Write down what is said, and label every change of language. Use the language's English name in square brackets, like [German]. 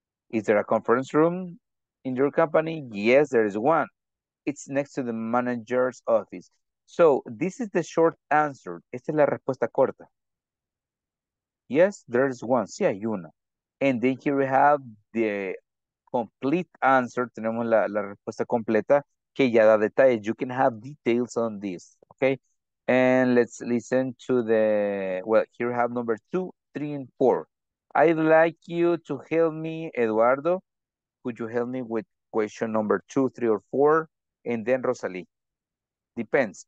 [English] Is there a conference room in your company? Yes, there is one. It's next to the manager's office. So, this is the short answer. [Spanish] Esta es la respuesta corta. [English] Yes, there is one. [Spanish] Sí, hay una. [English] And then here we have the complete answer. [Spanish] Tenemos la respuesta completa que ya da detalles. [English] You can have details on this, okay? And let's listen to the, well, here we have number 2, 3, and 4. I'd like you to help me, Eduardo. Could you help me with question number 2, 3, or 4? And then Rosalie. Depends.